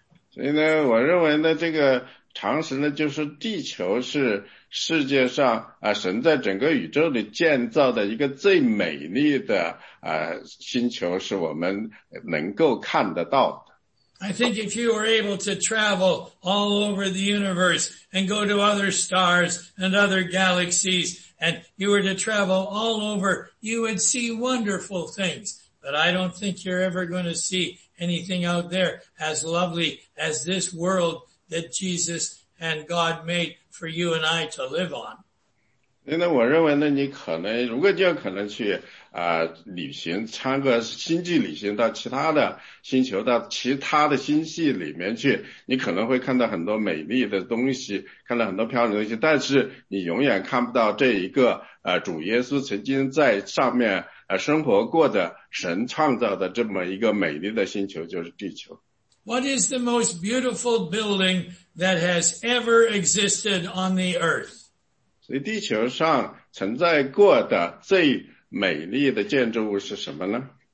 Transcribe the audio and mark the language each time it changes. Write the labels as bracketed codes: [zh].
[zh] 所以呢，我认为呢，这个常识呢，就是地球是世界上神在整个宇宙里建造的一个最美丽的星球，是我们能够看得到的。 [en] I think if you were able to travel all over the universe and go to other stars and other galaxies and you were to travel all over, you would see wonderful things. But I don't think you're ever going to see anything out there as lovely as this world that Jesus and God made for you and I to live on. [zh] 因为我认为呢，你可能如果就可能去旅行，参个星际旅行到其他的星球，到其他的星系里面去，你可能会看到很多美丽的东西，看到很多漂亮的东西，但是你永远看不到这一个主耶稣曾经在上面生活过的神创造的这么一个美丽的星球，就是地球。 [en] What is the most beautiful building that has ever existed on the earth? [zh] 所以地球上存在过的最美丽的建筑物是什么呢？